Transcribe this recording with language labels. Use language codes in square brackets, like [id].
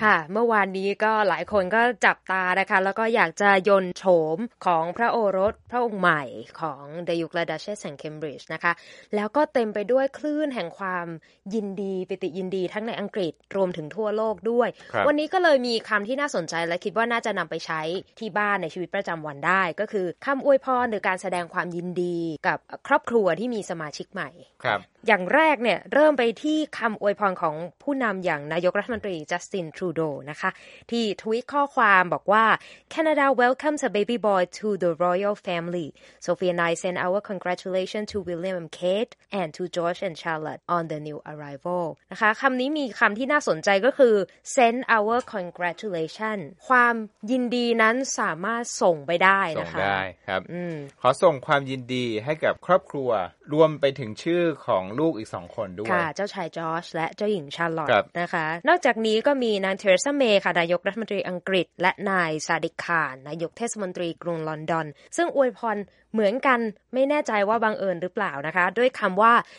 [th] ค่ะเมื่อวานนี้ก็หลายคนก็จับตานะคะแล้วก็อยากจะยนต์โฉมของพระโอรสพระองค์ใหม่ของเดยุกลาดัชเชสแห่งเคมบริดจ์นะคะแล้วก็เต็มไปด้วยคลื่นแห่งความยินดีปิติยินดีทั้งในอังกฤษรวมถึงทั่วโลกด้วยวันนี้ก็เลยมีคำที่น่าสนใจและคิดว่าน่าจะนำไปใช้ที่บ้านในชีวิตประจำวันได้ก็คือคำอวยพรหรือการแสดงความยินดีกับครอบครัวที่มีสมาชิกใหม่ครับ อย่างแรกเนี่ยเริ่มไปที่คำอวยพรของผู้นำอย่างนายกรัฐมนตรีจัสตินทรูโดนะคะที่ทวีตข้อความบอกว่า [en] Canada welcomes a baby boy to the royal family. Sophie and I send our congratulations to William and Kate and to George and Charlotte on the new arrival. [th] นะคะคำนี้มีคำที่น่าสนใจก็คือ [en] send our congratulations [th] ความยินดีนั้นสามารถส่งไปได้นะคะ ส่งได้ครับขอส่งความยินดีให้กับครอบครัวรวมไปถึงชื่อของลูกอีก2คนด้วย ค่ะเจ้าชายจอร์จและเจ้าหญิงชาร์ลอตนะคะนอกจากนี้ก็มีนางเทเรซาเมย์ค่ะนายกรัฐมนตรีอังกฤษและนายซาดิกคานนายกเทศมนตรีกรุงลอนดอนซึ่งอวยพรเหมือนกันไม่แน่ใจว่าบังเอิญหรือเปล่านะคะด้วยคำว่า